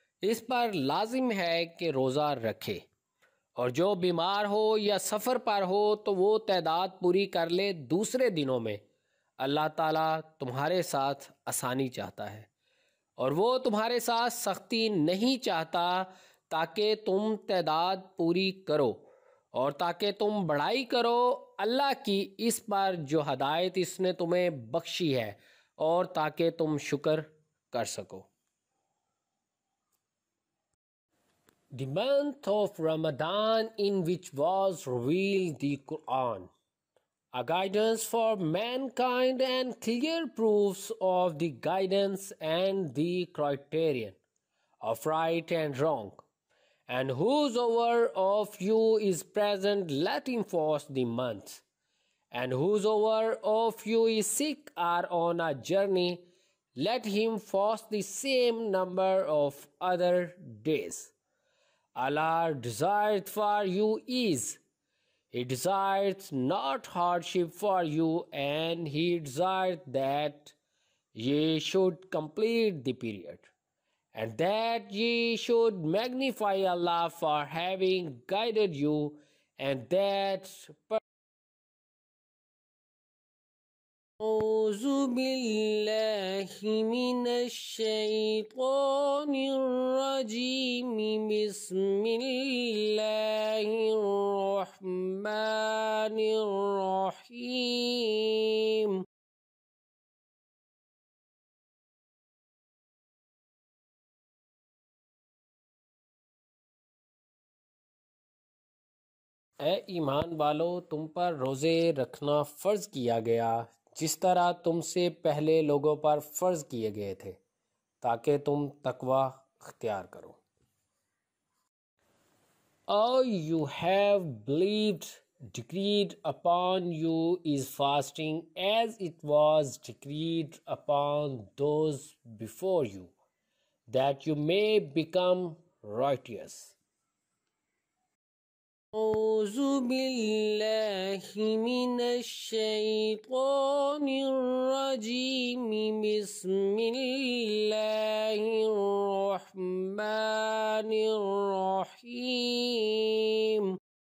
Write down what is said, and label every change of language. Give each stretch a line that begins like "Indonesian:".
Urdu: اس پر لازم ہے کہ روزہ رکھے اور جو بیمار ہو یا سفر پر ہو تو وہ تعداد پوری کر لے دوسرے دنوں میں اللہ تعالیٰ تمہارے ساتھ آسانی چاہتا ہے اور وہ تمہارے ساتھ سختی نہیں چاہتا تاکہ تم تعداد پوری کرو اور تاکہ تم بڑائی کرو اللہ کی اس پر جو ہدایت اس نے تمہیں بخشی ہے اور تاکہ تم شکر کر سکو.
English: The month of Ramadan in which was revealed the Qur'an, a guidance for mankind and clear proofs of the guidance and the criterion of right and wrong. And whosoever of you is present, let him fast the month. And whosoever of you is sick or on a journey, let him fast the same number of other days. Allah desired for you ease. He desires not hardship for you and He desired that ye should complete the period and that ye should magnify Allah for having guided you and that
Arabic: أعوذ بالله من الشيطان الرجيم بسم الله الرحمن الرحيم
Urdu: اے ایمان والو تم پر روزے رکھنا فرض کیا گیا جس طرح تم سے پہلے لوگوں پر فرض کیے گئے تھے تاکہ تم تقوی اختیار کرو.
English: All you have believed decreed upon you is fasting as it was decreed upon those before you that you may become righteous.
Arabic: أعوذ بالله من الشيطان الرجيم بسم الله الرحمن الرحيم